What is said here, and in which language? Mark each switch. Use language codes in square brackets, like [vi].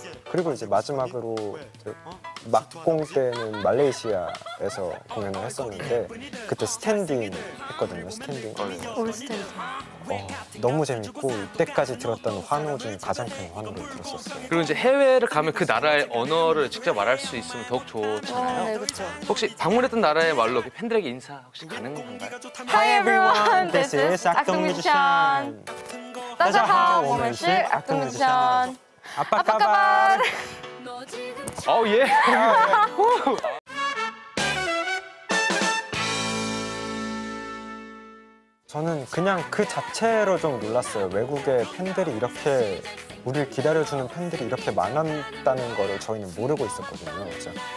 [ko] 그리고 이제 마지막으로 막공 때는 말레이시아에서 공연을 했었는데 그때 스탠딩 했거든요. 스탠딩. 올 스탠딩. 너무 재밌고 이때까지 들었던 환호 중 가장 큰 환호를 들었었어요. 그리고 이제 해외를 가면 그 나라의 언어를 직접 말할 수 있으면 더욱 좋잖아요. 네, 그렇죠. 혹시 방문했던 나라의 말로 팬들에게 인사 혹시 가능한 건가요? [en] Hi everyone, this is 악동뮤지션. [zh] 大家好，我们是 악동뮤지션. [ms] 아빠까발. [ko] 오 예. 저는 그냥 그 자체로 좀 놀랐어요. 외국의 팬들이 이렇게 우리를 기다려주는 팬들이 이렇게 많았다는 거를 저희는 모르고 있었거든요. 진짜.